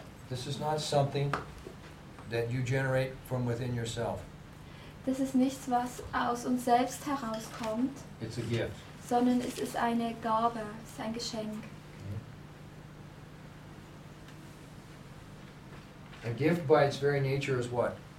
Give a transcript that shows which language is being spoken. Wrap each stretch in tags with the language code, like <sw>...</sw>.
<en>This is not something that you generate from within yourself.</en> <de>Das ist nichts, was aus uns selbst herauskommt.</de> <en>It's a gift.</en> <de>Sondern es ist eine Gabe, es ist ein Geschenk.</de> <en>A gift by its very nature is what?</en>